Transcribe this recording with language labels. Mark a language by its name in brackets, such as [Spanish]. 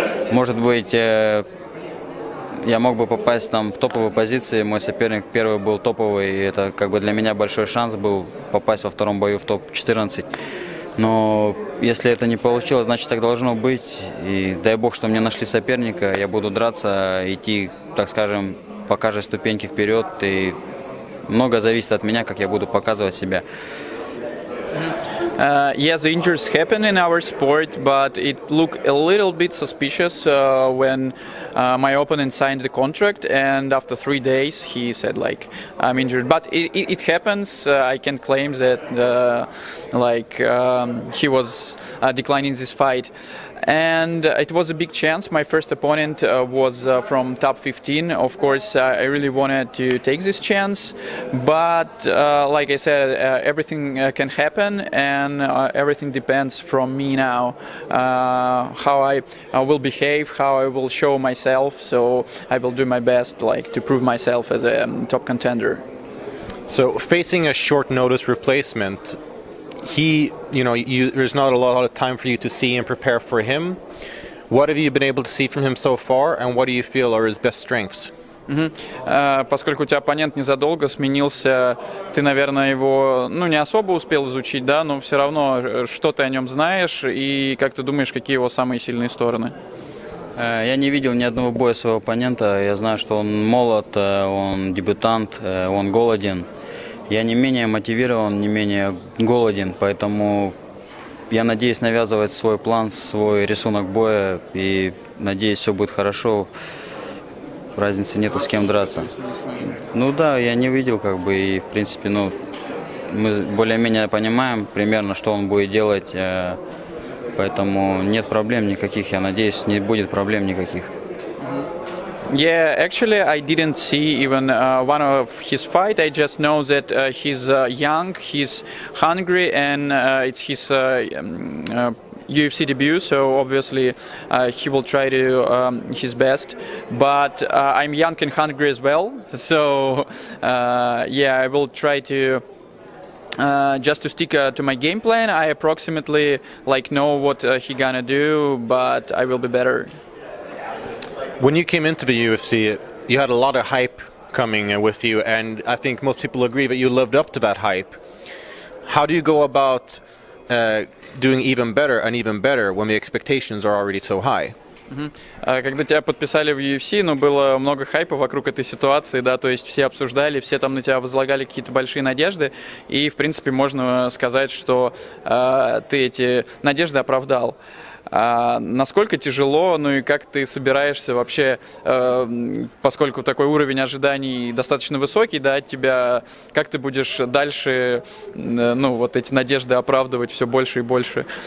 [Russian] может быть, я мог бы попасть там в топовые позиции, мой соперник первый был топовый, и это, как бы, для меня большой шанс был попасть во втором бою в топ-14, но если это не получилось, значит, так должно быть, и дай бог, что мне нашли соперника, я буду драться, идти, так скажем, покажи ступеньки вперед, и много зависит от меня, как я буду показывать себя. [English] Yes, the injuries happen in our sport, but it looked a little bit suspicious when my opponent signed the contract, and after 3 days he said, like, I'm injured. But it happens. I can claim that, like, he was declining this fight. And it was a big chance. My first opponent was from top 15. Of course, I really wanted to take this chance. But like I said, everything can happen, and everything depends from me now. How I will behave, how I will show myself. So I will do my best, like, to prove myself as a top contender. So facing a short notice replacement, he, you know, there's not a lot of time for you to see and prepare for him. What have you been able to see from him so far, and what do you feel are his best strengths? Mm-hmm. [Russian] Поскольку у тебя оппонент незадолго сменился, ты, наверное, его, ну, не особо успел изучить, да, но все равно, что ты о нем знаешь и как ты думаешь, какие его самые сильные стороны? Я не видел ни одного боя своего оппонента. Я знаю, что он молод, он дебютант, он голоден. Я не менее мотивирован, не менее голоден, поэтому я надеюсь навязывать свой план, свой рисунок боя, и надеюсь, все будет хорошо, разницы нету, с кем драться. Ну да, я не видел, как бы, и в принципе, ну, мы более-менее понимаем примерно, что он будет делать, поэтому нет проблем никаких, я надеюсь, не будет проблем никаких. [English] Yeah, actually, I didn't see even one of his fight. I just know that he's young, he's hungry, and it's his UFC debut, so obviously he will try to his best. But I'm young and hungry as well, so yeah, I will try to just to stick to my game plan. I approximately, like, know what he gonna do, but I will be better. When you came into the UFC, you had a lot of hype coming with you, and I think most people agree that you lived up to that hype. How do you go about doing even better and even better when the expectations are already so high? [Russian] Когда тебя подписали в UFC, ну, было много хайпа вокруг этой ситуации, да, то есть все обсуждали, все там на тебя возлагали какие-то большие надежды, и, в принципе, можно сказать, что ты эти надежды оправдал. Насколько тяжело, ну и как ты собираешься вообще, поскольку такой уровень ожиданий достаточно высокий, да, от тебя, как ты будешь дальше, ну, вот эти надежды оправдывать все больше и больше?